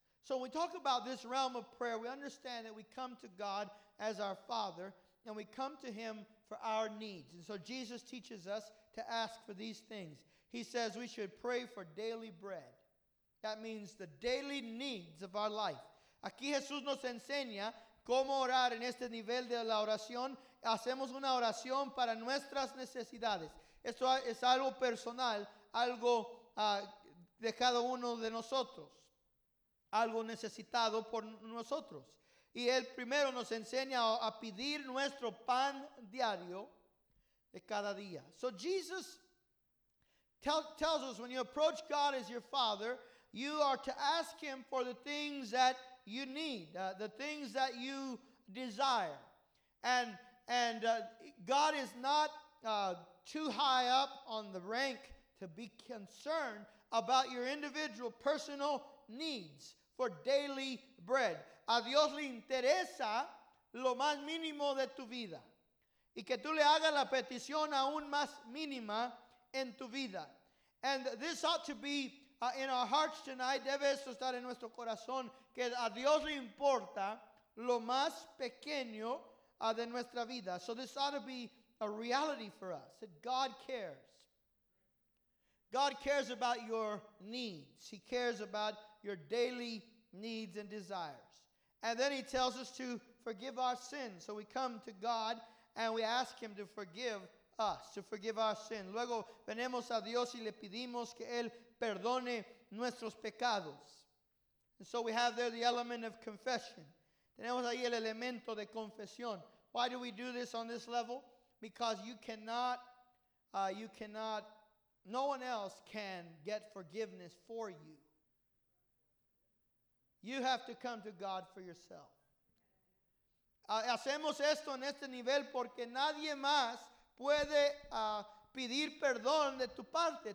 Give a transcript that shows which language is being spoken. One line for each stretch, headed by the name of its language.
English: So when we talk about this realm of prayer, we understand that we come to God as our Father, and we come to him for our needs. And so Jesus teaches us to ask for these things. He says we should pray for daily bread. That means the daily needs of our life.
Spanish: Aquí Jesús nos enseña cómo orar en este nivel de la oración. Hacemos una oración para nuestras necesidades. Esto es algo personal, algo de cada uno de nosotros, algo necesitado por nosotros. Y él primero nos enseña a pedir nuestro pan diario de cada día.
English: So Jesus tells us when you approach God as your Father, you are to ask him for the things that you need, the things that you desire. And God is not too high up on the rank to be concerned about your individual personal needs for daily bread.
Spanish: A Dios le interesa lo más mínimo de tu vida. Y que tú le hagas la petición aún más mínima en tu vida.
English: And this ought to be in our hearts tonight.
Spanish: Debe esto estar en nuestro corazón. Que a Dios le importa lo más pequeño de nuestra vida.
English: So this ought to be a reality for us. That God cares. God cares about your needs. He cares about your daily needs and desires. And then he tells us to forgive our sins. So we come to God and we ask him to forgive us, to forgive our sin.
Spanish: Luego venimos a Dios y le pedimos que él perdone nuestros pecados.
English: And so we have there the element of confession.
Spanish: Tenemos ahí el elemento de confesión.
English: Why do we do this on this level? Because no one else can get forgiveness for you. You have to come to God for yourself.
Spanish: Hacemos esto en este nivel porque nadie más puede pedir perdón de tu parte.